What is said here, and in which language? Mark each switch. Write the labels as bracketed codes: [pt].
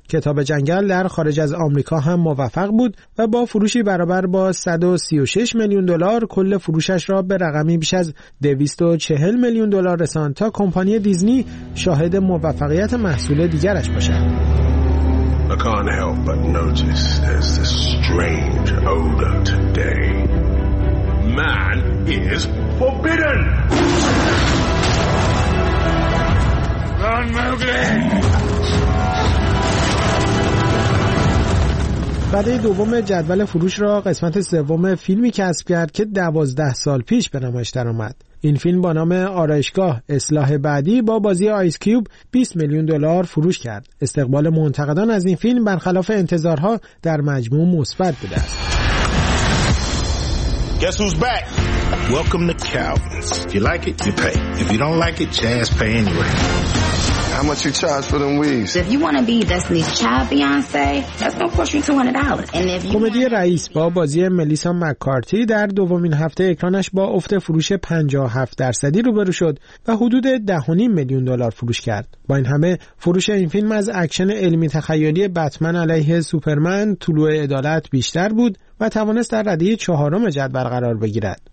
[fa] کتاب جنگل در خارج از آمریکا هم موفق بود و با فروشی برابر با 136 میلیون دلار کل فروشش را به رقمی بیش از 240 میلیون دلار رساند تا کمپانی دیزنی شاهد موفقیت محصول دیگرش باشد. [en] I can't help but notice there's this strange odor today. Man is forbidden! Run, Mowgli! [fa] بعد دوم جدول فروش را قسمت سوم فیلمی کسب کرد که 12 سال پیش به نمایش درآمد. این فیلم با نام آرایشگاه اصلاح بعدی با بازی آیس کیوب 20 میلیون دلار فروش کرد. استقبال منتقدان از این فیلم برخلاف انتظارها در مجموع مثبت بوده است. [en] Guess who's back? Welcome to Calvin's. If you like it, you pay. If you don't like it, just pay anyway. How much you charge for them weaves? If you want to be Destiny's Child Beyonce, that's gonna cost you $200. And if [fa] کمدی رئیس با بازی ملیسا مک‌کارتی در دومین هفته اکرانش با افت فروش 57% روبرو شد و حدود 10.5 میلیون دلار فروش کرد. با این همه فروش این فیلم از اکشن علمی تخیلی بتمن علیه سوپرمن طلوع عدالت بیشتر بود و توانست در رده 4 جدول قرار بگیرد.